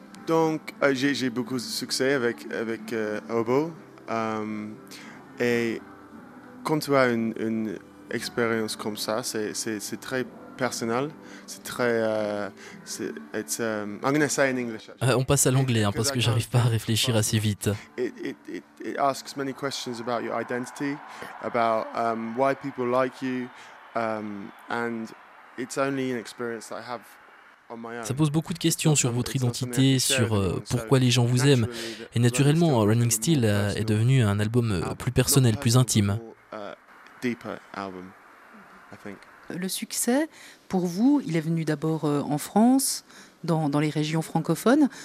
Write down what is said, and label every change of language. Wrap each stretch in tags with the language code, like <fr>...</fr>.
<fr>Donc, j'ai beaucoup de succès avec Hobo. Et quand tu as une expérience comme ça, c'est très personnel. C'est très.</fr> <en>I'm gonna say in English.</en> <fr>On passe à l'anglais hein, parce que j'arrive pas à réfléchir assez vite.</fr> <en>It asks many questions about your identity, about why people like you, and it's only an experience that I have.</en> <fr>Ça pose beaucoup de questions sur votre identité, sur pourquoi les gens vous aiment. Et naturellement, Running Steel est devenu un album plus personnel, plus intime. Le succès, pour vous, il est venu d'abord en France, dans les régions francophones.</fr>